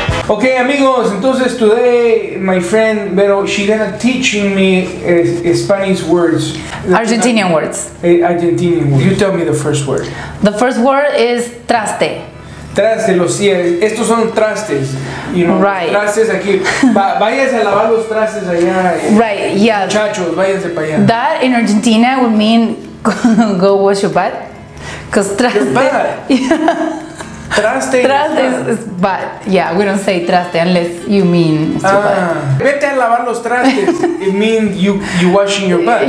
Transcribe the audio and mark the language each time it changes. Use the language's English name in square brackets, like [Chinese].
[English] Okay, [Spanish] amigos, entonces [English] today my friend Vero, she's gonna teach me Spanish words. Argentinian words. Argentinian words. You tell me the first word. The first word is traste. [Spanish] Traste, los cielos. Estos son trastes. [English] You know, right. [Spanish] Trastes aquí. Váyanse a lavar los trastes allá. [English] Right, yeah. [Spanish] Muchachos, váyanse para allá. [English] That in Argentina would mean go wash your butt. Because traste. Your butt. Traste. Traste is bad. Yeah, we don't say traste unless you mean it's your butt. [Spanish] Vete a lavar los trastes. [English] It means you washing your butt.